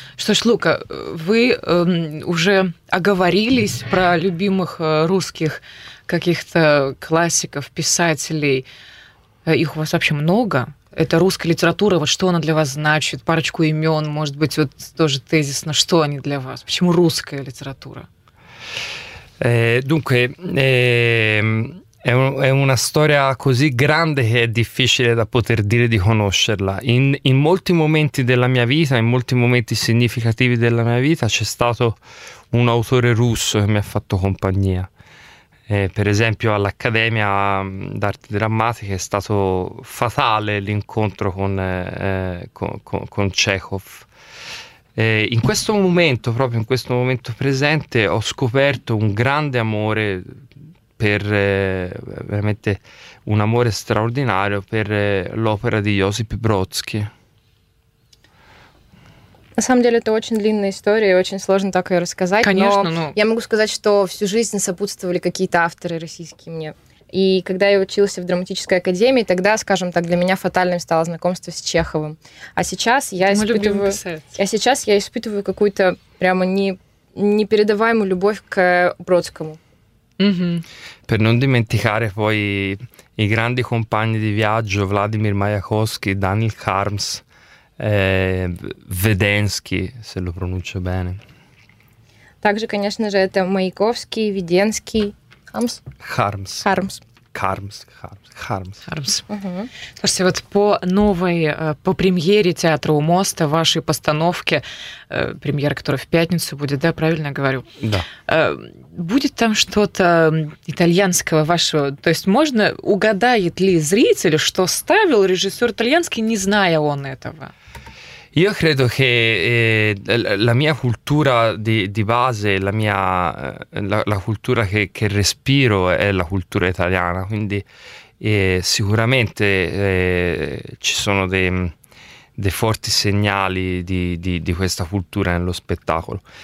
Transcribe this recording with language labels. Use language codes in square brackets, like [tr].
[ru] Что ж, Лука, вы уже оговорились про любимых русских каких-то классиков, писателей. Их у вас вообще много. Это русская литература. Вот что она для вас значит? Парочку имен, может быть, вот тоже тезисно. Что они для вас? Почему русская литература? [it] Dunque, è una storia così grande che è difficile da poter dire di conoscerla. In molti momenti della mia vita, in molti momenti significativi della mia vita, c'è stato un autore russo che mi ha fatto compagnia. Per esempio all'Accademia d'Arti Drammatiche è stato fatale l'incontro con Chekhov. In questo momento, proprio in questo momento presente, ho scoperto un grande amore per veramente un amore straordinario per l'opera di Josip Brodsky. [ru] На самом деле это очень длинная история, и очень сложно так ее рассказать. Конечно, но я могу сказать, что всю жизнь сопутствовали какие-то авторы российские мне. И когда я училась в драматической академии, тогда, скажем так, для меня фатальным стало знакомство с Чеховым. А сейчас я испытываю какую-то прямо непередаваемую любовь к Бродскому. [it] Mm-hmm. Per non dimenticare poi i grandi compagni di viaggio Vladimir Majakovskij, Daniel Harms, Веденский, se lo pronuncio bene. [ru] Также, конечно же, это Маяковский, Веденский, Хармс. Хармс. Хармс. Хармс. Хармс. Хармс. Хармс. Угу. Слушайте, вот по новой, по премьере театра у моста, вашей постановке, премьера, которая в пятницу будет, да, правильно я говорю? Да. Будет там что-то итальянского вашего? То есть можно, угадает ли зритель, что ставил режиссер итальянский, не зная он этого? [it] Io credo che la mia cultura di base, la cultura che respiro è la cultura italiana, quindi sicuramente ci sono dei forti segnali di questa cultura nello spettacolo.